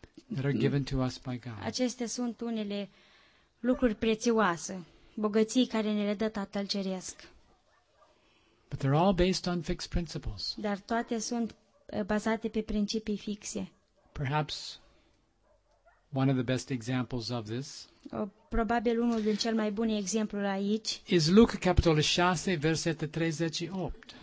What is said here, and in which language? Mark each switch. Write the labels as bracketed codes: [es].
[en] That are given to us by God. [ro] Acestea sunt unele lucruri prețioase, bogății care ne le dă Tatăl Ceresc. [en] But they're all based on fixed principles. [ro] Dar toate sunt bazate pe principii fixe. [en] Perhaps one of the best examples of this. [ro] Probabil unul din cel mai bun exemplu aici. [en] Is [ro] Luca capitolul 6 versetul 38.